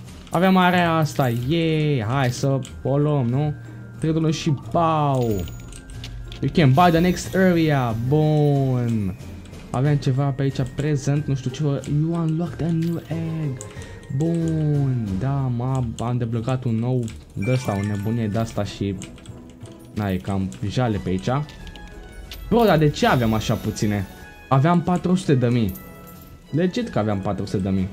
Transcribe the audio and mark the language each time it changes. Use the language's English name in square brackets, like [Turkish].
[Romanian] Avem area asta, yay, hai să o luăm, nu? Tridul și bau. [English] You can buy the next area, [Romanian] bun. Avem ceva pe aici prezent, nu știu ce. [English] You unlocked a new egg. [Romanian] Bun, da, am deblocat un nou de-asta, o nebunie de-asta și... Na, e cam jale pe aici. Bro, dar de ce avem așa puține? Aveam 400.000. Legit că aveam 400.000.